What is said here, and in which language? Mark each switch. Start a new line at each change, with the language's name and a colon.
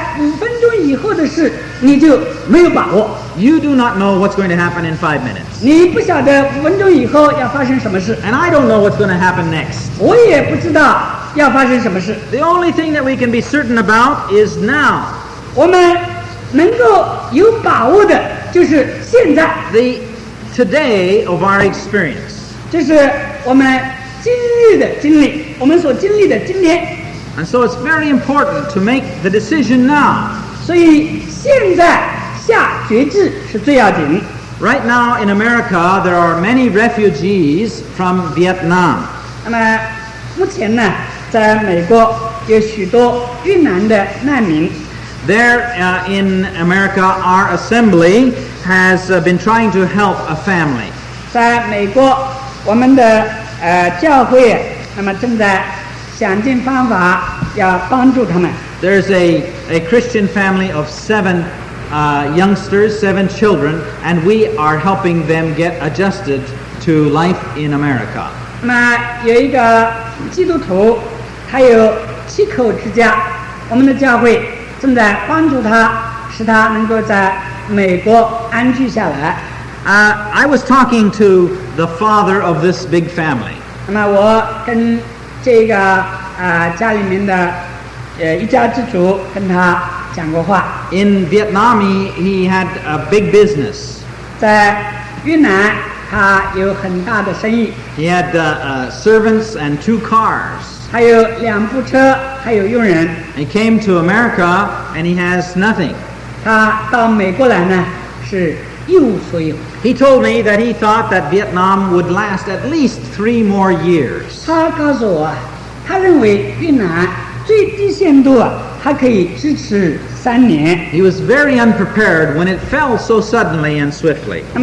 Chinese: 因为在离现在5分钟以后的事，你就没有把握。
English: You do not know what's going to happen in 5 minutes.
Chinese: 你不晓得5分钟以后要发生什么事。
English: And I don't know what's going to happen next.
Chinese: 我也不知道。要发生什么事?
English: The only thing that we can be certain about is now.
Chinese: 我们能够有把握的就是现在。
English: The today of our experience.
Chinese: 就是我们经历的经历, 我们所经历的今天。
English: And so it's very important to make the decision now.
Chinese: 所以现在下决志是最要紧。
English: Right now in America, there are many refugees from Vietnam.
Chinese: 那么目前呢, 在美国有许多越南的难民。
English: There in America, our assembly has been trying to help a family.
Chinese: 在美国，我们的 教会， 那么正在想尽方法要帮助他们。
English: There's a Christian family of seven youngsters, seven children, and we are helping them get adjusted to life in America.
Chinese: 那有一个基督徒。还有七口之家，我们的教会正在帮助他，使他能够在美国安居下来。
English: I was talking to the father of this big family.
Chinese: 那么我跟这个 家里面的 一家之主跟他讲过话。
English: In Vietnam, he had a big business.
Chinese: 在越南，他有很大的生意。
English: He had servants and two cars.
Chinese: 还有两部车，还有佣人。
English: He came to America and he has nothing.
Chinese: 他到美国来呢，是一无所有。
English: He told me that he thought that Vietnam would last at least 3 more years.
Chinese: 他告诉我，他认为越南最低限度还可以支持3年。
English: He was very unprepared when it fell so suddenly and swiftly.